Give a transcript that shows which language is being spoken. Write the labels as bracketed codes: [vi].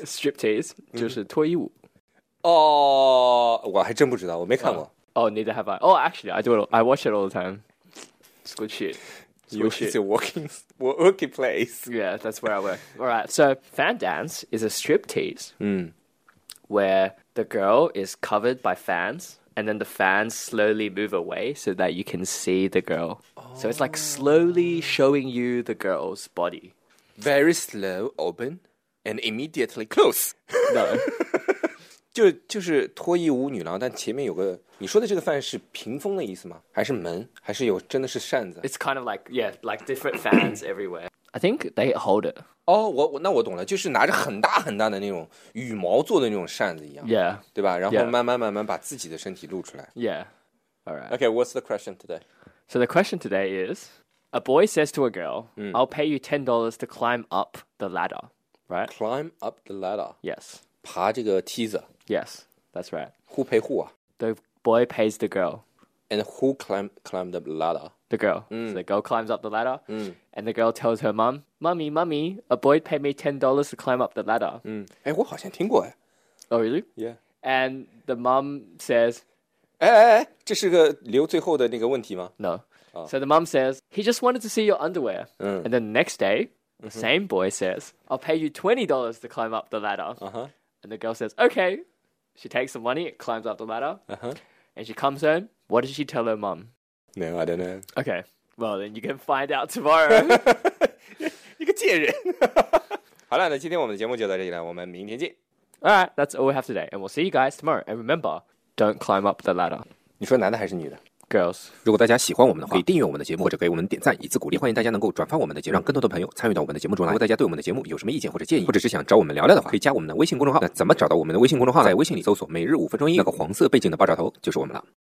[zh] A striptease, 就是脱衣舞。 Oh, 我还真不知道,我没看过。 [en] Oh, neither have I. Oh, actually, I watch it all the time. It's good shit. It's a working place. Yeah, that's where I work. Alright, so fan dance is a striptease where the girl is covered by fans... And then the fans slowly move away so that you can see the girl. Oh. So it's like slowly showing you the girl's body. Very slow, open, and immediately close. No. [zh] 就是脱衣舞女郎，但前面有个你说的这个fan是屏风的意思吗？还是门？还是有真的是扇子 [en] ？It's kind of like yeah, like different fans everywhere. I think they hold it. [zh] 哦、oh, ，我那我懂了，就是拿着很大很大的那种羽毛做的那种扇子一样 [en] ，Yeah， [zh] 对吧？然后慢慢慢慢把自己的身体露出来 [en] ，Yeah， all right. Okay, what's the question today? So the question today is, a boy says to a girl,、I'll pay you $10 to climb up the ladder, right? Climb up the ladder. Yes. [zh] 爬这个梯子。 [en] Yes, that's right. Who pay who? The boy pays the girl. And who climbed up the ladder? The girl. So the girl climbs up the ladder, and the girl tells her mom, Mommy, mommy, a boy paid me $10 to climb up the ladder. [zh] 哎，我好像听过哎。 [en] Oh, really? Yeah. And the mom says, [zh] 哎哎哎，这是个留最后的那个问题吗？ [en] No. So the mom says, he just wanted to see your underwear. And then the next day, the same boy says, I'll pay you $20 to climb up the ladder. And the girl says, okay. She takes the money, climbs up the ladder. And she comes home. What did she tell her mom? No, I don't know. Okay, well then you can find out tomorrow. [zh] 一个贱人。好了，那今天我们的节目就到这里了，我们明天见。 [en] All right, that's all we have today, and we'll see you guys tomorrow. And remember, don't climb up the ladder. [zh] 你说男的还是女的 [en] ？Girls. [zh] 如果大家喜欢我们的话，可以订阅我们的节目或者给我们点赞以资鼓励。欢迎大家能够转发我们的节目，让更多的朋友参与到我们的节目中来。如果大家对我们的节目有什么意见或者建议，或者是想找我们聊聊的话，可以加我们的微信公众号。那怎么找到我们的微信公众号呢？在微信里搜索"每日五分钟英语"，那个黄色背景的爆炸头就是我们了。